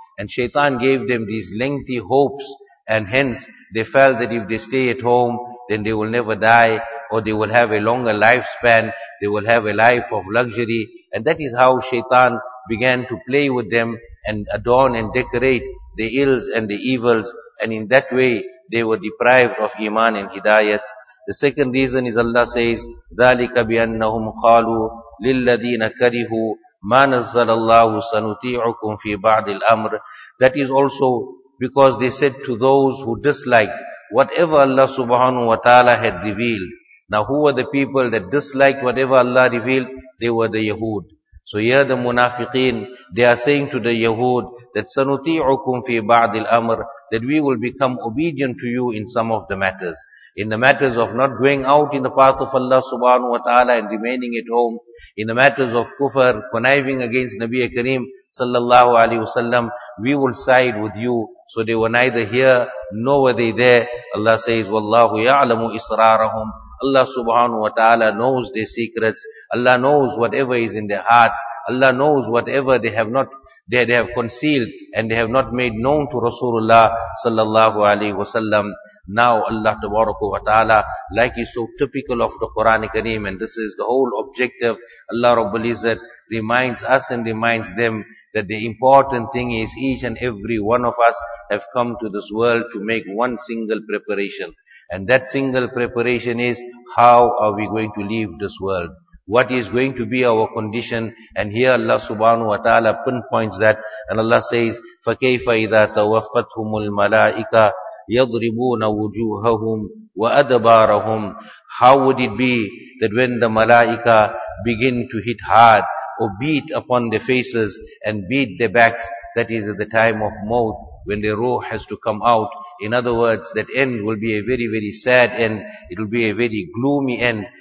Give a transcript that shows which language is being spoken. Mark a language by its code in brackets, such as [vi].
[en] And shaitan gave them these lengthy hopes, and hence they felt that if they stay at home, then they will never die. or they will have a longer lifespan, they will have a life of luxury. And that is how Shaitan began to play with them and adorn and decorate the ills and the evils. And in that way, they were deprived of Iman and Hidayat. The second reason is Allah says, [ar] ذَلِكَ بِأَنَّهُمْ قَالُوا لِلَّذِينَ كَرِهُوا مَا نَزَّلَ اللَّهُ سَنُطِيعُكُمْ فِي بَعْضِ الْأَمْرِ. [en] That is also because they said to those who disliked whatever Allah subhanahu wa ta'ala had revealed. Now who were the people that disliked whatever Allah revealed? They were the Yahud. So here the munafiqeen, they are saying to the Yahud that [ar] سَنُطِيعُكُمْ فِي بَعْضِ الْأَمْرِ, [en] that we will become obedient to you in some of the matters. In the matters of not going out in the path of Allah subhanahu wa ta'ala and remaining at home. In the matters of kufr, conniving against Nabi Kareem sallallahu alayhi wa sallam, we will side with you. So they were neither here nor were they there. [ar] Allah says, وَاللَّهُ يَعْلَمُ إِسْرَارَهُمْ. [en] Allah subhanahu wa ta'ala knows their secrets. Allah knows whatever is in their hearts. Allah knows whatever they have concealed and they have not made known to Rasulullah sallallahu alayhi wa sallam. Now Allah tabaraka wa ta'ala, like is so typical of the Quran Kareem, and this is the whole objective, Allah Rabbul Izzat reminds us and reminds them that the important thing is each and every one of us have come to this world to make one single preparation. And that single preparation is, how are we going to leave this world? What is going to be our condition? And here Allah subhanahu wa ta'ala pinpoints that. And Allah says, [ar] فَكَيْفَ إِذَا تَوَفَّتْهُمُ الْمَلَائِكَةِ يَضْرِبُونَ وُجُوهَهُمْ وَأَدْبَارَهُمْ. [en] How would it be that when the malaika begin to hit hard, or beat upon their faces and beat their backs, that is at the time of maut, when their ruh has to come out. In other words, that end will be a very, very sad end. It will be a very gloomy end.